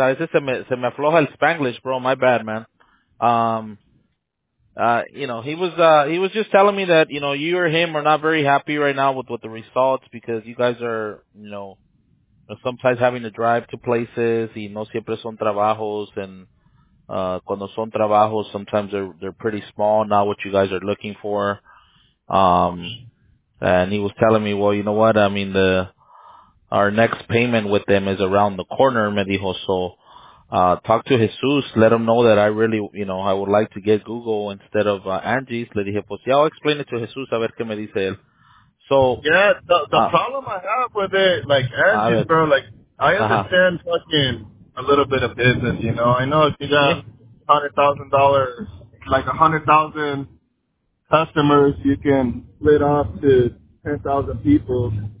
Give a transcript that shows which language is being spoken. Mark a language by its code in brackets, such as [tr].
[es] A veces se me afloja el Spanglish, bro. [en] My bad, man. You know, he was just telling me that, you know, you or him are not very happy right now with the results because you guys are, you know, sometimes having to drive to places [es] y no siempre son trabajos, [en] and [es] cuando son trabajos [en] sometimes they're pretty small, not what you guys are looking for. And he was telling me, well, you know what, I mean, our next payment with them is around the corner, [es] me dijo. [en] So talk to Jesus, let him know that I really, you know, I would like to get Google instead of Angie's. [es] Le dije, pues ya, [en] I'll explain it to Jesus, [es] a ver qué me dice él. [en] So, yeah, the problem I have with it, like Angie's, ver, bro, like, I understand fucking a little bit of business, you know. I know if you got $100,000, like 100,000 customers, you can split off to 10,000 people.